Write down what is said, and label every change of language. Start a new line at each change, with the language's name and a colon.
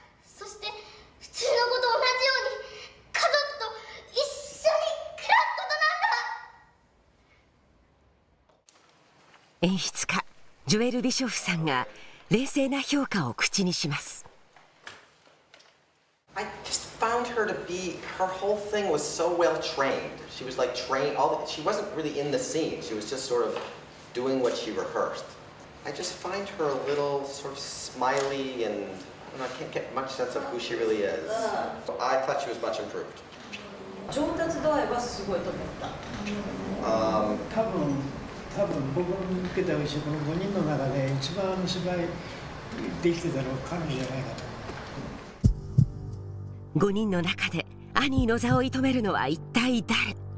Japanese: そして普通の子と同じように家族と一緒に暮らすことなんだ。演出家ジュエル・ビショフさんが冷静な評価を口にします。
English: I just found her to be, her whole thing was so well trained. She was like trained, all the, she wasn't really in the scene. She was just sort of doing what she rehearsed. I just find her a little sort of smiley and I don't know, I can't get much sense of who she really is. So I thought she was much improved.
Japanese: 上達度合いはすごいと思った。多分僕受けた後この5人の中で一番の芝居できてたのは彼女じゃないかと。 5人の中でアニーの座を射止めるのは一体誰。